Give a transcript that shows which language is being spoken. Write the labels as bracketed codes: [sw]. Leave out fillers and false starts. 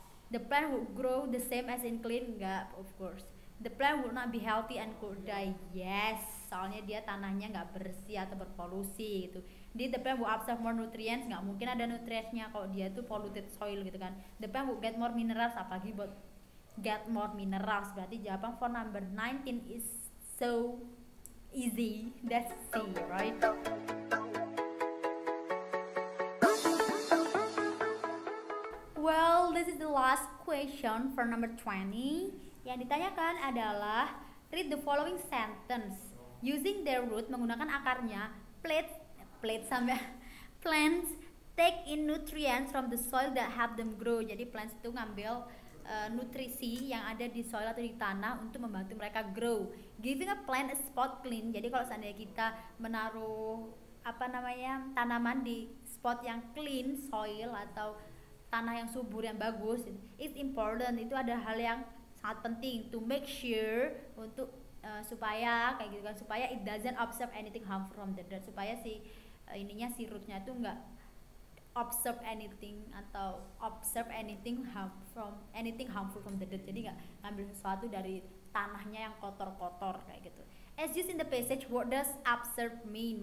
[en] The plant will grow the same as in clean? [id] Enggak, [en] of course. The plant will not be healthy and could die. [id] Yes, soalnya dia tanahnya enggak bersih atau berpolusi gitu. Jadi [en] the plant will absorb more nutrients, [id] enggak mungkin ada nutriennya kalau dia itu [en] polluted soil [id] gitu kan. [en] The plant will get more minerals, [id] apalagi buat [en] get more minerals. [id] Berarti jawaban [en] for number 19 is so easy. That's C, right? Well, this is the last question for number 20. [id] Yang ditanyakan adalah [en] read the following sentence. Using their root, [id] menggunakan akarnya, [en] plants take in nutrients from the soil that help them grow. [id] Jadi plants itu ngambil nutrisi yang ada di soil atau di tanah untuk membantu mereka grow. [en] Giving a plant a spot clean. [id] Jadi kalau seandainya kita menaruh tanaman di spot yang [en] clean soil [id] atau tanah yang subur yang bagus, [en] it's important. [id] Itu ada hal yang sangat penting [en] to make sure [id] untuk supaya kayak gitu kan, supaya [en] it doesn't absorb anything harmful from the dirt, [id] supaya si rootnya itu enggak [en] absorb anything harmful from the dirt. [id] Jadi enggak ngambil sesuatu dari tanahnya yang kotor kayak gitu. [en] As used in the passage, what does absorb mean?